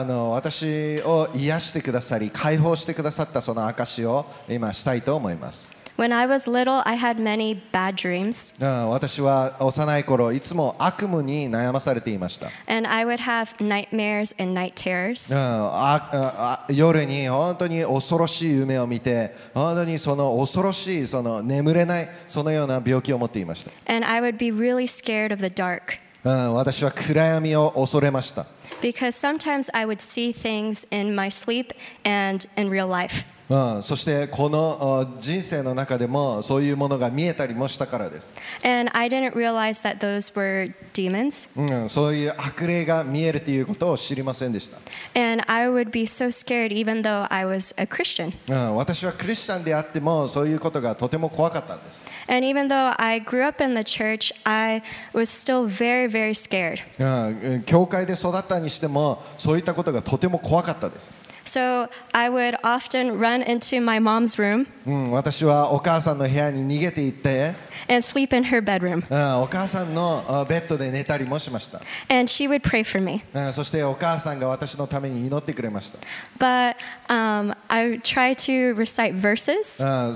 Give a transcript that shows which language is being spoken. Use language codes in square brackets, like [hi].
[ja] 私を癒してくださり解放してくださったその証を今したいと思います。 [en] When I was little, I had many bad dreams. [ja] 私は幼い頃いつも悪夢に悩まされていました。 [en] And I would have nightmares and night terrors. [ja] 夜に本当に恐ろしい夢を見て、本当にその恐ろしい、その眠れない、そのような病気を持っていました。 [en] And I would be really scared of the dark. [ja] 私は暗闇を恐れました。 [en] Because sometimes I would see things in my sleep and in real life. [ja] そしてこの人生の中でもそういうものが見えたりもしたからです。 [en] And I didn't realize that those were demons. [ja] そういう悪霊が見えるということを知りませんでした。 [en] And I would be so scared even though I was a Christian. [ja] 私はクリスチャンであってもそういうことがとても怖かったんです。 [en] And even though I grew up in the church, I was still very, very scared. [ja] 教会で育ったにしてもそういったことがとても怖かったです。 [en] So I would often run into my mom's room. [ja] 私はお母さんの部屋に逃げていって、 [en] and sleep in her bedroom. [ja] お母さんのベッドで寝たりもしました。 [en] And she would pray for me. [ja] そしてお母さんが私のために祈ってくれました。 [en] But I would try to recite verses.